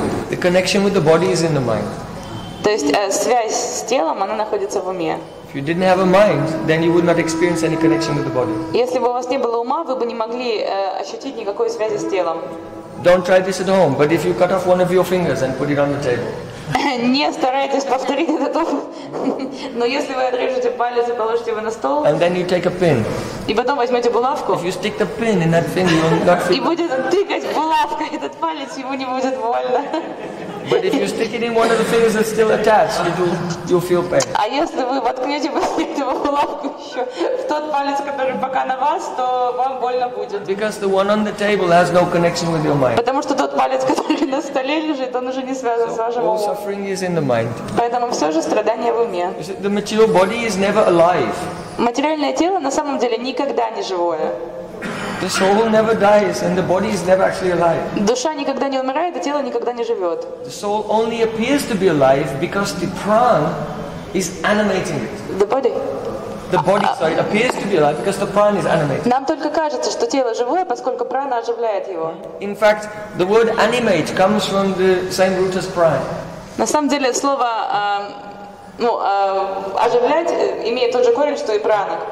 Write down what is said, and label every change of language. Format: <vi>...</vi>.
<en>The connection with the body is in the mind.</en> <ru>То есть связь с телом, она находится в уме.</ru> <en>If you didn't have a mind, then you would not experience any connection with the body.</en> <ru>Если бы у вас не было ума, вы бы не могли ощутить никакой связи с телом.</ru> <en>Don't try this at home, but if you cut off one of your fingers and put it on the table.</en> <ru>Не старайтесь повторить это дома, но если вы отрежете палец и положите его на стол.</ru> <en>And then you take a pin.</en> <ru>И потом возьмете булавку.</ru> <en>If you stick the pin in that finger, you'll not feel.</en> <ru>И будет тыкать булавкой этот палец, ему не будет больно.</ru> <en>But if you stick it in one of the fingers that's still attached, you'll feel pain.</en> <ru>А если вы воткнете его булавку еще в тот палец, который пока на вас, то вам больно будет.</ru> <en>Because the one on the table has no connection with your mind.</en> <ru>Потому что тот палец, который на столе лежит, он уже не связан с вашим умом.</ru> <en>All suffering is in the mind.</en> <ru>Поэтому все же страдания в уме.</ru> <en>The material body is never alive.</en> <ru>Материальное тело на самом деле никогда не живое.</ru> <en>The soul never dies, and the body is never actually alive.</en> <ru>Душа никогда не умирает, и тело никогда не живет.</ru> <en>The soul only appears to be alive because the prana is animating it. The body. The body, sorry, appears to be alive because the prana is animating.</en> <ru>Нам только кажется, что тело живое, поскольку прана оживляет его.</ru> <en>In fact, the word animate comes from the same root as prana.</en> <ru>На самом деле, слово оживлять имеет тот же корень, что и прана.</ru>